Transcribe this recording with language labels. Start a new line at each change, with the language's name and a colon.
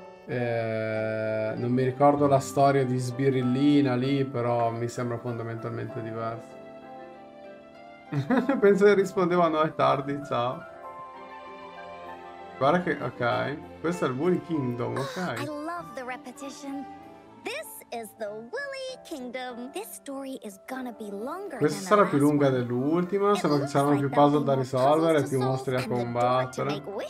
Italian: Non mi ricordo la storia di Sbirillina lì, però mi sembra fondamentalmente diversa. Penso che rispondevano è tardi, ciao. Guarda che, ok. Questo è il Woolly Kingdom, ok.
English: I love the repetition. This is the Woolly Kingdom. This story is gonna be longer.
Italian: Questa sarà più lunga dell'ultima, se non ci saranno più puzzle da risolvere, più mostri da combattere.